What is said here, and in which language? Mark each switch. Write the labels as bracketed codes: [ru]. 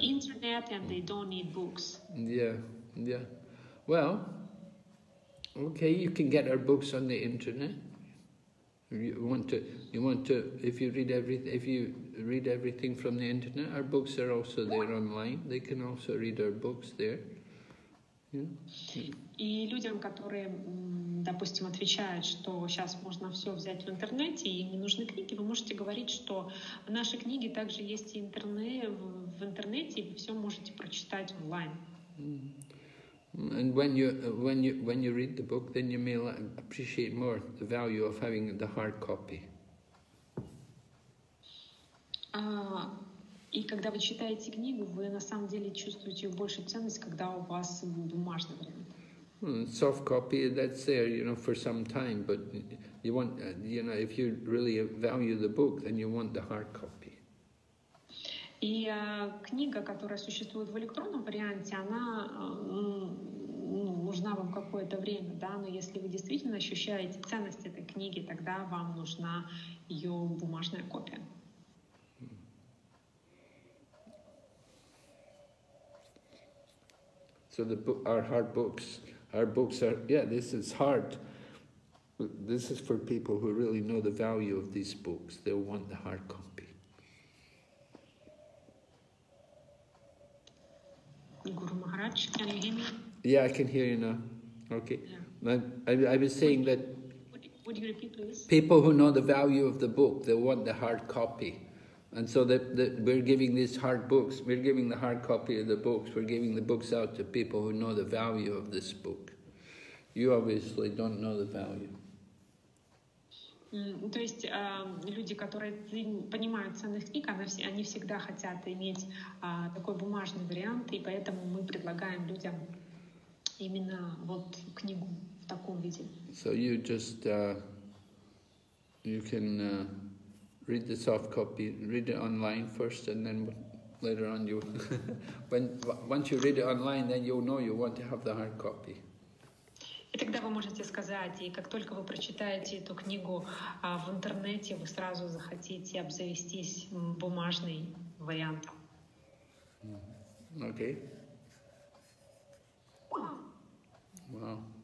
[en] internet and they don't need books. Well, okay, you can get our books on the internet. If you read everything from the internet, our books are also there online. They can also read our books there. [ru] И людям, которые, допустим, отвечают, что сейчас можно все взять в интернете и не нужны книги, вы можете говорить, что наши книги также есть в интернете, и вы все можете прочитать онлайн. [en] And when you read the book, then you may appreciate more the value of having the hard copy. [ru] И когда вы читаете книгу, вы на самом деле чувствуете большую ценность, когда у вас бумажный вариант. [en] Soft copy, that's there, for some time. But you want, if you really value the book, then you want the hard copy. [ru] И книга, которая существует в электронном варианте, она нужна вам какое-то время, да, но если вы действительно ощущаете ценность этой книги, тогда вам нужна ее бумажная копия. [en] So the book, our books are this is hard. This is for people who really know the value of these books. They'll want the hard copy. Guru Maharaj, can you hear me? Yeah, I can hear you now. Okay. Yeah. I was saying that would you repeat, please? People who know the value of the book, they want the hard copy. And so that we're giving these hard books, we're giving the hard copy of the books, we're giving the books out to people who know the value of this book. You obviously don't know the value. [ru] То есть люди, которые понимают ценность книг, они всегда хотят иметь такой бумажный вариант, и поэтому мы предлагаем людям именно вот книгу в таком виде. [en] So you just you can read the soft copy, read it online first, and then later on you once you read it online, then you'll know you want to have the hard copy. [ru] И тогда вы можете сказать, и как только вы прочитаете эту книгу в интернете, вы сразу захотите обзавестись бумажным вариантом. [en] Окей. Вау.